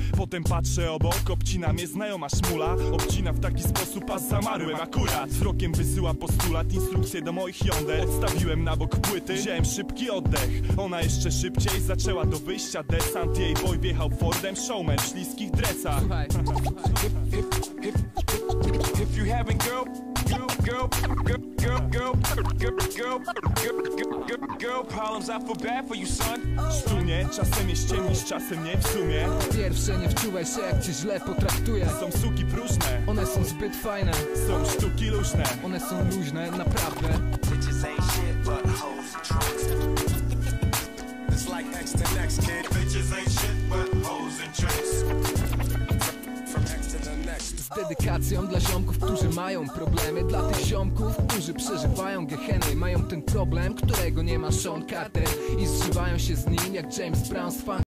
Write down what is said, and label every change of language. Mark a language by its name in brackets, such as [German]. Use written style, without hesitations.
[Polish] Potem patrzę obok, obcina mnie znajoma szmula. Obcina w taki sposób, a zamarłem akurat. Wzrokiem wysyła postulat, instrukcję do moich jąder. Odstawiłem na bok płyty, wziąłem szybki oddech. Ona jeszcze szybciej zaczęła do wyjścia desant. Jej boj wjechał Fordem showman w śliskich dresach. [English] If you having girl problems, I feel bad for you, son. [Polish] Sztunie, czasem jest ciemniej, czasem nie w sumie. Pierwsze, nie wczuwaj się, jak cię źle potraktuję. Są suki próżne, one są zbyt fajne. Są sztuki luźne, one są luźne, naprawdę. [English] Bitches ain't shit but hoes and tricks. It's like X to next, kid. Bitches ain't shit but hoes and tricks. [Polish] Wtedy medykacją dla ziomków, którzy mają problemy. Dla tych ziomków, którzy przeżywają geheny, mają ten problem, którego nie ma Sean Carter, i zżywają się z nim jak James Brown z Funk.